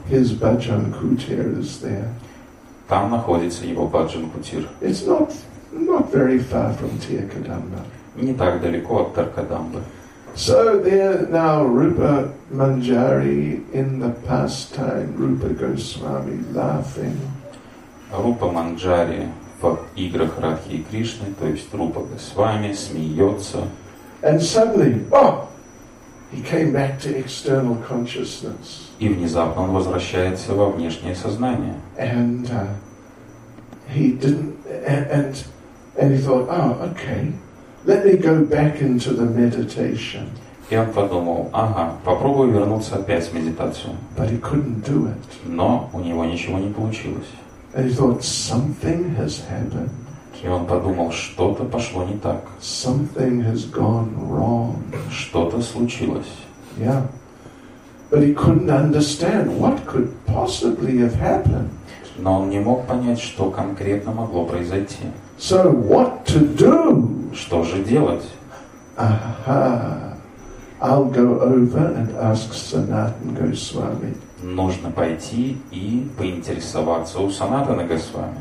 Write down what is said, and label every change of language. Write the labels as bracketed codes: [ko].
[en] His Bhajan Kutir is there. [ru] Там находится его Bhajan Kutir. [en] It's not very far from Tirthakadamba. [ru] Не так далеко от Таркадамбы. [en] So there now Rupa Manjari in the pastime Rupa Goswami laughing. [ru] Rupa Manjari в играх Радхи и Кришны, то есть Рупа Госвами смеется. [en] And suddenly, he came back to external consciousness. [ru] И внезапно он возвращается во внешнее сознание. [en] And he thought, okay. Let me go back into the meditation. [ru] И он подумал, попробую вернуться опять в медитацию. [en] But he couldn't do it. [ru] Но у него ничего не получилось. [en] And he thought, something has happened. [ru] И он подумал, что-то пошло не так. [en] Something has gone wrong. [ru] Что-то случилось. [en] Yeah. But he couldn't understand what could possibly have happened. [ru] Но он не мог понять, что конкретно могло произойти. [en] So what to do? [ru] Что же делать? [en] Aha. I'll go over and ask Sanatan Goswami. [ru] Нужно пойти и поинтересоваться у Санатана Госвами.